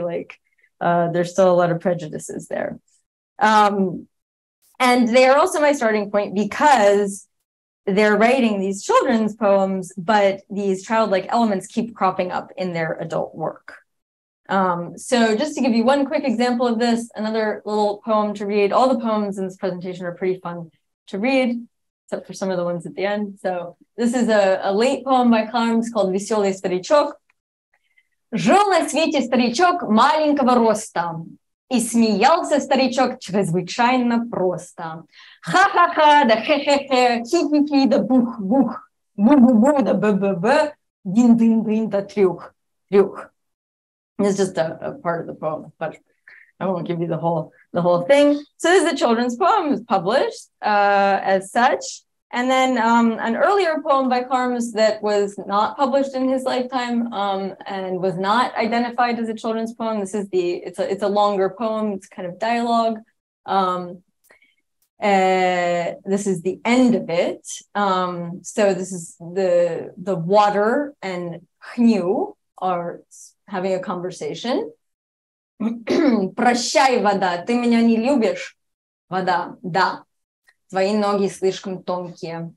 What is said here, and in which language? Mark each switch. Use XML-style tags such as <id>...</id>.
<en>Like, there's still a lot of prejudices there. And they are also my starting point because they're writing these children's poems, but these childlike elements keep cropping up in their adult work. So just to give you one quick example of this, another little poem to read. All the poems in this presentation are pretty fun to read, except for some of the ones at the end. So this is a late poem by Carmes called Веселый старичок.</en> <ru>Жил на свете старичок маленького роста, и смеялся старичок чрезвычайно просто. Ха-ха-ха, да хе-хе-хе, хи-хи-хи, да бух-бух, бу-бу-бу, да бе-бе-бе, дин-дин-дин, да трюх, трюх.</ru> <en>It's just a part of the poem, but I won't give you the whole thing. So this is a children's poem. It was published as such. And then an earlier poem by Carmes that was not published in his lifetime and was not identified as a children's poem. This is it's a longer poem. It's kind of dialogue. This is the end of it. So this is the water and Хню are having a conversation.</en> <ru>Прощай, вода, ты меня не любишь? Вода, да. Твои ноги слишком тонкие.</ru>